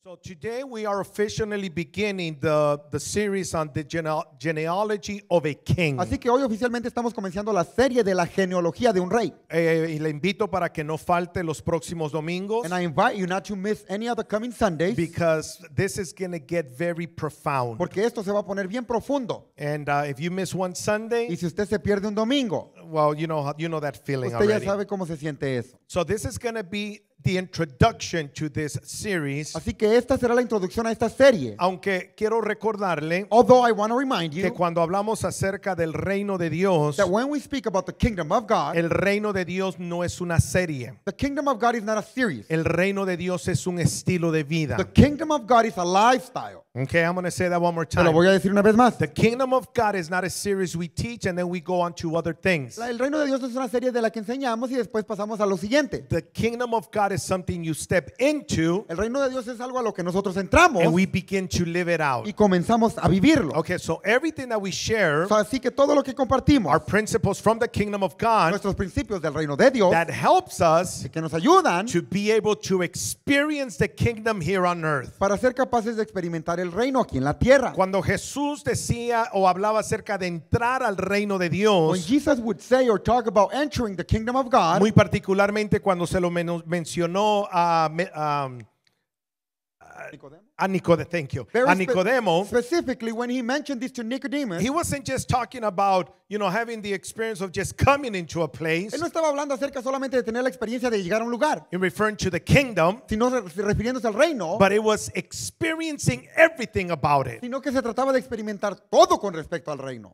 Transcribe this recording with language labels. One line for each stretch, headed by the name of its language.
English: So today we are officially beginning the series on the genealogy of a king.
Spanish: Así que hoy oficialmente estamos comenzando la serie de la genealogía de un rey. Y le invito para que no falte los próximos domingos.
English: And I invite you not to miss any other coming Sundays. Because this is going to get very profound.
Spanish: Porque esto se va a poner bien profundo.
English: And if you miss one Sunday.
Spanish: Y si usted se pierde un domingo.
English: Well, you know that feeling
Spanish: usted
English: already.
Spanish: Usted ya sabe cómo se siente eso.
English: So this is going to be the introduction to this series.
Spanish: Así que esta será la introducción a esta serie. Aunque quiero recordarle,
English: although I want to remind you,
Spanish: que cuando hablamos acerca del reino de Dios,
English: that when we speak about the kingdom of God,
Spanish: el reino de Dios no es una serie.
English: The kingdom of God is not a series.
Spanish: El reino de Dios es un estilo de vida.
English: The kingdom of God is a lifestyle. Okay, I'm going to say that one more time.
Spanish: Lo voy a decir una vez más.
English: The kingdom of God is not a series we teach and then we go on to other things.
Spanish: El reino de Dios no es una serie de la que enseñamos y después pasamos a lo siguiente.
English: The kingdom of God is something you step into.
Spanish: El reino de Dios es algo a lo que nosotros entramos.
English: And we begin to live it out.
Spanish: Y comenzamos a vivirlo.
English: Okay, so everything that we share.
Spanish: So, así que todo lo que compartimos.
English: Our principles from the kingdom of God.
Spanish: Nuestros principios del reino de Dios.
English: That helps us.
Spanish: Y que nos ayudan.
English: To be able to experience the kingdom here on earth.
Spanish: Para ser capaces de experimentar el reino aquí en la tierra. Cuando Jesús decía o hablaba acerca de entrar al reino de Dios.
English: When Jesus would say or talk about entering the kingdom of God.
Spanish: Muy particularmente cuando se lo mencionó a Nicodemo.
English: Thank you. Very
Spanish: a Nicodemo.
English: Specifically when he mentioned this to Nicodemus. He wasn't just talking about, you know, having the experience of just coming into a place.
Spanish: Él no estaba hablando acerca solamente de tener la experiencia de llegar a un lugar.
English: In referring to the kingdom.
Spanish: Sino refiriéndose al reino.
English: But it was experiencing everything about it.
Spanish: Sino que se trataba de experimentar todo con respecto al reino.